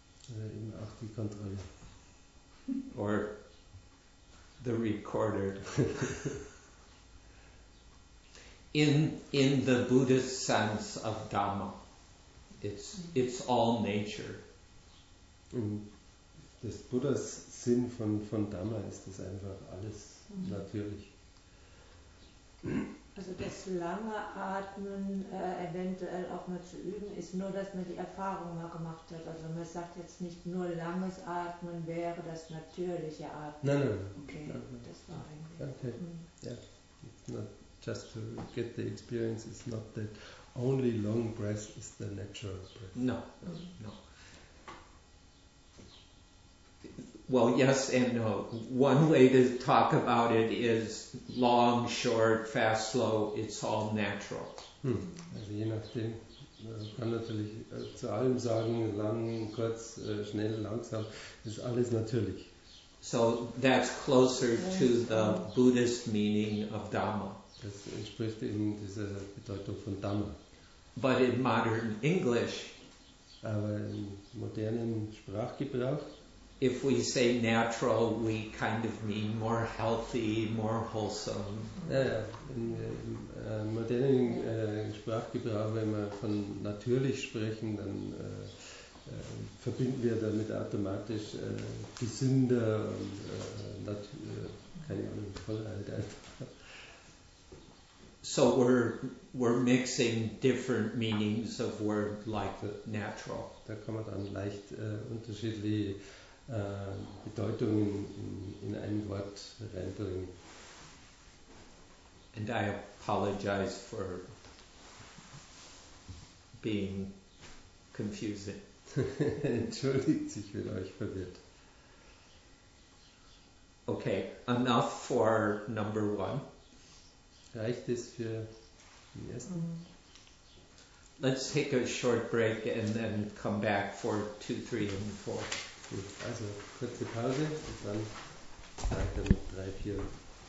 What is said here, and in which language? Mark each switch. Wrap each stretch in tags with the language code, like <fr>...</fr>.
<de>Eben auch die Kontrolle.</de> <en>Or the recorder. In the Buddhist sense of Dhamma, it's all nature.</en> <de>In des Buddhas Sinn von Dhamma ist das einfach alles natürlich. Also das lange Atmen eventuell auch mal zu üben, ist nur, dass man die Erfahrung mal gemacht hat. Also man sagt jetzt nicht nur langes Atmen wäre das natürliche Atmen. Nein, nein, okay, nein. Das war eigentlich.</de> <en>Okay, yeah. It's not just to get the experience, it's not that only long breath is the natural breath. No, no. Well, yes and no. One way to talk about it is long, short, fast, slow, it's all natural.</en> <de>Also je nachdem, man kann natürlich zu allem sagen, lang, kurz, schnell, langsam, ist alles natürlich.</de> <en>So that's closer to the Buddhist meaning of Dhamma.</en> <de>Das entspricht eben dieser Bedeutung von Dhamma.</de> <en>But in modern English,</en> <de>aber im modernen Sprachgebrauch,</de> <en>if we say natural, we kind of mean more healthy, more wholesome.</en> <de>Im modernen Sprachgebrauch, wenn wir von natürlich sprechen, dann verbinden wir damit automatisch gesünder und keine Ahnung, Vollheit einfach.</de> <en>So we're mixing different meanings of word like natural.</en> <de>Da kann man dann leicht unterschiedliche Bedeutung in ein Wort reinbringen.</de> <en>And I apologize for being confusing.</en> <de>Entschuldigt sich, wenn euch verwirrt.</de> <en>Okay, enough for number one.</en> <de>Reicht es für den ersten?</de> <en>Let's take a short break and then come back for 2, 3 and 4.</en> <de>Also kurze Pause und dann weiter mit 3, 4 und 5.</de>